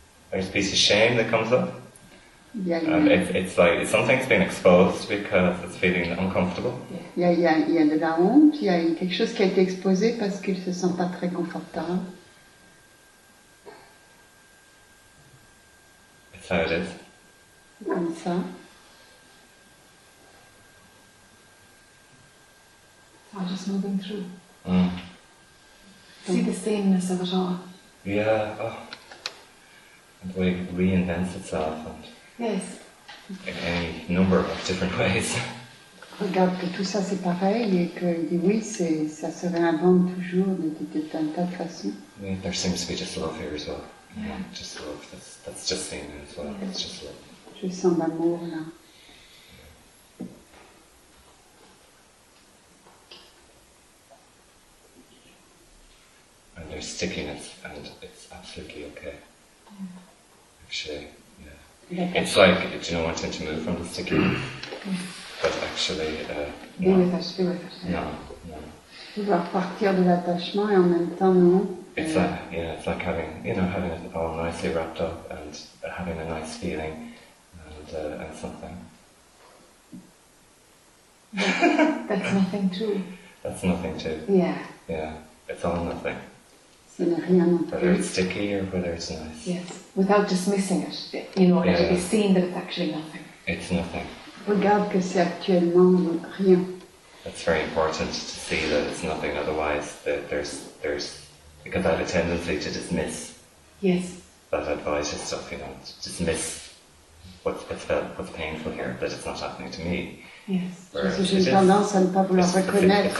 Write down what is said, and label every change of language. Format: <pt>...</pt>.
<en>There's a piece of shame that comes up. Yeah. It's like something's been exposed because it's feeling uncomfortable.</en> <fr>Il y a de la honte. Il y a quelque chose qui a été exposé parce qu'il se sent pas très confortable.</fr> <en>That's how it is. And so? I'm just moving through. Mm. See the sameness of it all. Yeah. Oh. And the way it reinvents itself. And yes. In any number of different ways.</en> <fr>Regarde que tout ça c'est pareil et que oui, c'est, ça se réinvente toujours de tant de façons. Oui,</fr> <en>there seems to be just love here as well. Yeah. Mm, just love. That's just same as well. Yeah. It's just love.</en> <fr>Je sens l'amour là.</fr> <en>And there's stickiness and it's absolutely okay. Yeah. Actually, yeah. Yeah. It's like, do you know, wanting to move from the stickiness? But actually, no. Be with us, be with us. No.</en> <fr>Pouvoir partir de l'attachement et en même temps, non.</fr> <en>It's like, yeah, it's like having, you know, having it all nicely wrapped up and having a nice feeling and something. That's nothing too. That's nothing too. Yeah. Yeah, it's all nothing.</en> <fr>Ce n'est rien non plus.</fr> <en>Whether it's sticky or whether it's nice. Yes, without dismissing it, in order to be seen that it's actually nothing. It's nothing.</en> <fr>Regarde que c'est actuellement rien.</fr> <en>That's very important to see that it's nothing, otherwise that there's because I have a tendency to dismiss. Yes. That advice is stuff, you know, to dismiss what's painful here, that it's not happening to me. Yes.</en> <fr>Parce que j'ai tendance à ne pas vouloir reconnaître</fr>